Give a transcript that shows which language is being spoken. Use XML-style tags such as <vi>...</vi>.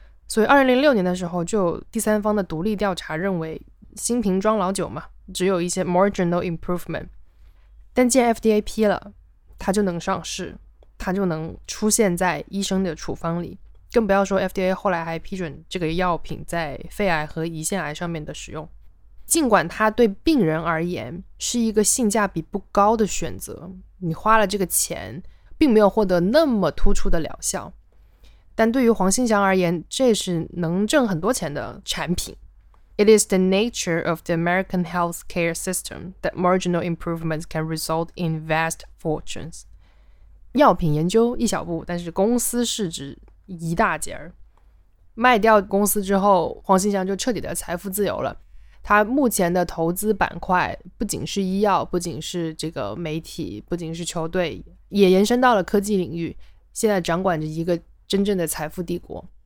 <zh>所以2006年的时候，就第三方的独立调查认为新瓶装老酒嘛，只有一些</zh> <en>marginal improvement，</en> <zh>但既然 FDA 批了，它就能上市，它就能出现在医生的处方里，更不要说 FDA 后来还批准这个药品在肺癌和胰腺癌上面的使用。尽管它对病人而言是一个性价比不高的选择，你花了这个钱并没有获得那么突出的疗效，但对于黄兴祥而言，这是能挣很多钱的产品。</zh> <en>It is the nature of the American healthcare system that marginal improvements can result in vast fortunes.</en> <zh>药品研究一小步，但是公司市值一大截儿。卖掉公司之后，黄兴祥就彻底的财富自由了。他目前的投资板块不仅是医药，不仅是这个媒体，不仅是球队，也延伸到了科技领域，现在掌管着一个真正的财富帝国。</zh>